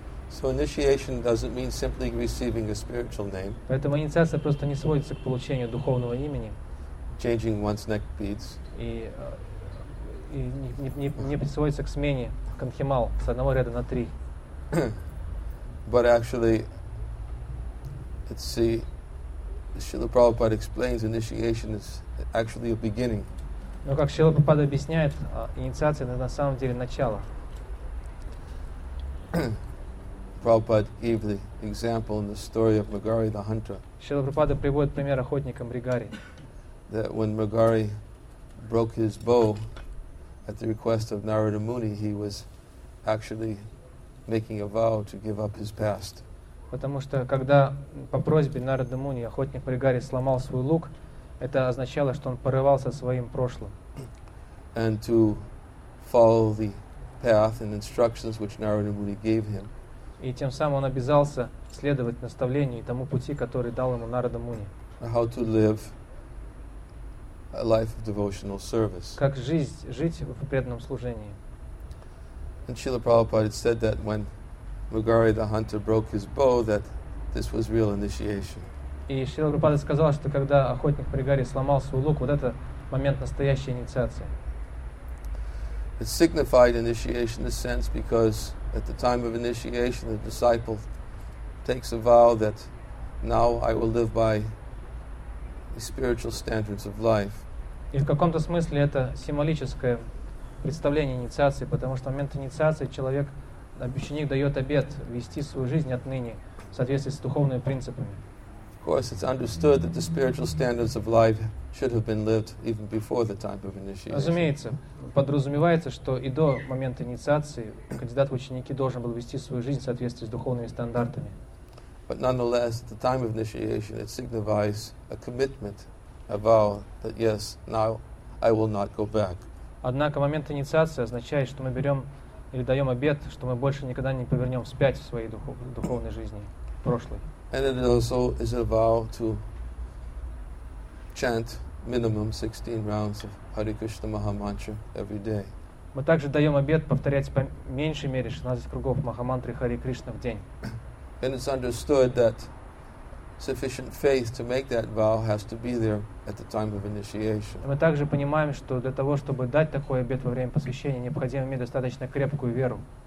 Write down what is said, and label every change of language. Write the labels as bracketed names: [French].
[English] So initiation doesn't mean simply receiving a spiritual name. [Russian] Поэтому инициация просто не сводится к получению духовного имени. [English] Changing one's neck beads. [Russian] И не присвоится к смене канхимал с одного ряда на три. [English] But actually, let's see. Srila Prabhupada explains initiation is actually a beginning. [Russian] Но как Шрила Прабхупада объясняет, инициация это на самом деле начало. [English] Prabhupada gave the example in the story of Magari the hunter. [Russian] Шрила Прабхупада приводит пример охотника Мригари. [English] That when Magari broke his bow at the request of Narada Muni, he was actually making a vow to give up his past. [Russian] Потому что когда по просьбе Нарада Муни охотник Мригари сломал свой лук, это означало, что он порывался своим прошлым. [English] And to follow the path and instructions which Narada Muni gave him. [Russian] И тем самым он обязался следовать наставлению и тому пути, который дал ему Нарада Муни. [English] How to live a life of devotional service. [Russian] Как жить в преданном служении. [English] And Srila Prabhupada said that when Magari the hunter broke his bow, that this was real initiation. [Russian] И Шрила Прабхупада сказал, что когда охотник Мригари сломал свой лук, вот это момент настоящей инициации. [English] It signified initiation in a sense because at the time of initiation the disciple takes a vow that now I will live by the spiritual standards of life. [Russian] И в каком-то смысле это символическое представление инициации, потому что в момент инициации человек ученик дает обет вести свою жизнь отныне в соответствии с духовными принципами. [English] Of course, it's understood that the spiritual standards of life should have been lived even before the time of initiation. [Russian] Разумеется, подразумевается, что и до момента инициации кандидат в ученики должен был вести свою жизнь в соответствии с духовными стандартами. [English] But nonetheless, at the time of initiation, it signifies a commitment, a vow that yes, now I will not go back. [Russian] Однако момент инициации означает, что мы берем или даем обет, что мы больше никогда не повернем вспять в своей духовной жизни, в прошлой. [English] And it also is a vow to chant minimum 16 rounds of Hare Krishna Maha Mantra every day. [Russian] Мы также даем обет повторять по меньшей мере 16 кругов Махамантры Хари Кришна в день. [English] And it's understood that sufficient faith to make that vow has to be there at the time of initiation. [Russian] Мы также понимаем, что для того, чтобы дать такой обет во время посвящения, необходимо иметь достаточно крепкую веру.